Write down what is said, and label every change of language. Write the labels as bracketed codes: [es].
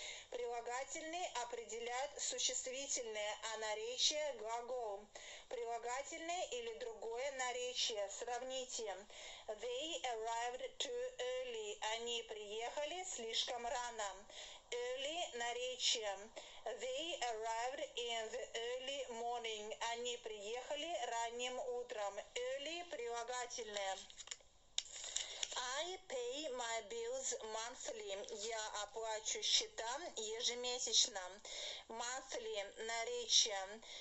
[ru] Прилагательные определяют существительное, а наречие – глагол. Прилагательное или другое наречие. Сравните. [en] They arrived too early. [ru] Они приехали слишком рано. Early – наречие. [en] They arrived in the early morning. [ru] Они приехали ранним утром. Early – прилагательное. [en] I pay my bills monthly. [ru] Я оплачу счета ежемесячно. Monthly – наречие.